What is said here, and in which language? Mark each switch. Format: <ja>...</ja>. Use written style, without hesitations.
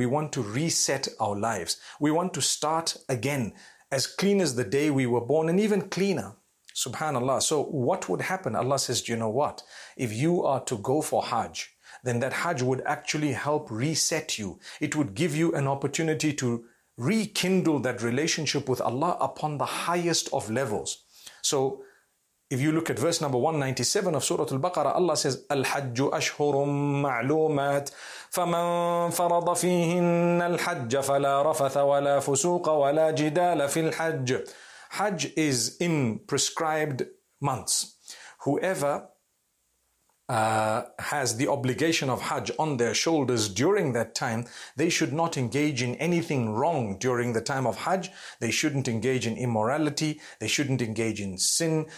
<en>We want to reset our lives. We want to start again, as clean as the day we were born, and even cleaner. Subhanallah. So what would happen? Allah says, do you know what? If you are to go for Hajj, then that Hajj would actually help reset you. It would give you an opportunity to rekindle that relationship with Allah upon the highest of levels. So if you look at verse number 197 of Surah Al-Baqarah, Allah says,</en> <ar>الحج أشهر معلومات فمن فرض فيهن الحج فلا رفث ولا فسوق ولا جدال في الحج.</ar> <en>Hajj is in prescribed months. Whoever has the obligation of Hajj on their shoulders during that time, they should not engage in anything wrong during the time of Hajj. They shouldn't engage in immorality. They shouldn't engage in sin.</en>